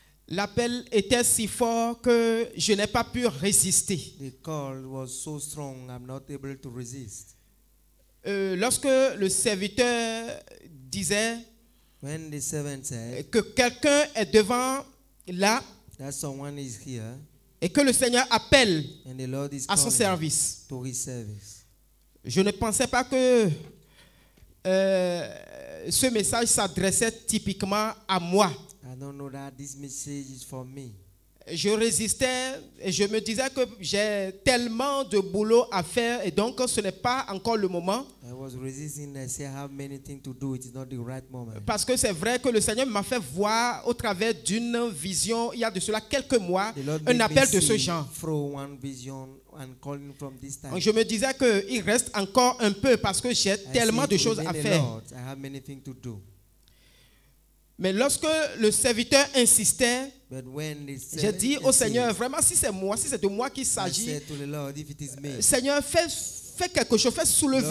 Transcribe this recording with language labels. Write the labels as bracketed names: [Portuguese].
[French] L'appel était si fort que je n'ai pas pu résister. [English] The call was so strong, I'm not able to resist. [French] Lorsque le serviteur disait [English] when the servant said, [French] que quelqu'un est devant là [English] that someone is here, [French] et que le Seigneur appelle [English] and the Lord is [French] à son service, [English] to his service, [French] je ne pensais pas que ce message s'adressait typiquement à moi. [English] I don't know that this message is for me. [French] Je résistais et je me disais que j'ai tellement de boulot à faire et donc ce n'est pas encore le moment. [English] I was resisting and say I have many things to do. It's not the right moment. [French] Parce que c'est vrai que le Seigneur m'a fait voir au travers d'une vision il y a de cela quelques mois un appel de ce genre. [English] Through one vision and calling from this time. [French] Je me disais que il reste encore un peu parce que j'ai tellement de choses à faire. [English] I have many things to do. [French] Mais lorsque le serviteur insistait, j'ai dit au Seigneur, vraiment, si c'est moi, si c'est de moi qu'il s'agit, [English] Lord, me, [French] Seigneur, fais quelque chose, fais soulever